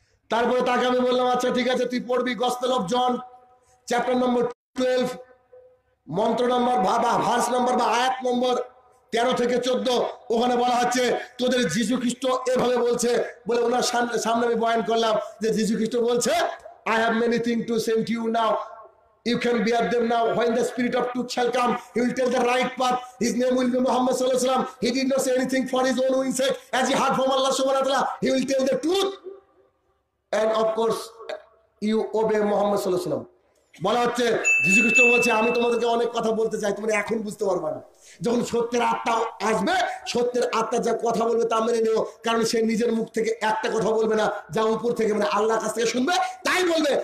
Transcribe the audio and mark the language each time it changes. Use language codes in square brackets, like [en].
[bn] তারপরে তাকে আমি বললাম আচ্ছা ঠিক আছে, তুই পড়বি গসপেল অফ জন চ্যাপ্টার নম্বর 12 মন্ত্র নম্বর বা ভার্স নম্বর বা আয়াত নম্বর 13-14, ওখানে বলা হচ্ছে তোদের যীশু খ্রিস্ট এভাবে বলছে। বলে ওনার সামনে সামনে আমি বয়ান করলাম যে যীশু খ্রিস্ট বলছে, [en] I have many things to send to you now. You can bear them now. When the spirit of truth shall come, he will tell the right path. His name will be Muhammad sallallahu alaihi wasallam. He did not say anything for his own insight. As he heard from Allah subhanahu wa ta'ala, he will tell the truth. And of course, you obey Muhammad sallallahu alaihi wasallam. [bn] বলা হচ্ছে যীশু খ্রিস্ট বলছে আমি তোমাদেরকে অনেক কথা বলতে চাই, তোমরা এখন বুঝতে পারবে না, যখন সত্যের আত্মা আসবে, সত্যের আত্মা যা কথা বলবে তা মেনে নিও, কারণ সে নিজের মুখ থেকে একটা কথা বলবে না, যা উপর থেকে মানে আল্লাহর কাছ থেকে শুনবে তাই বলবে।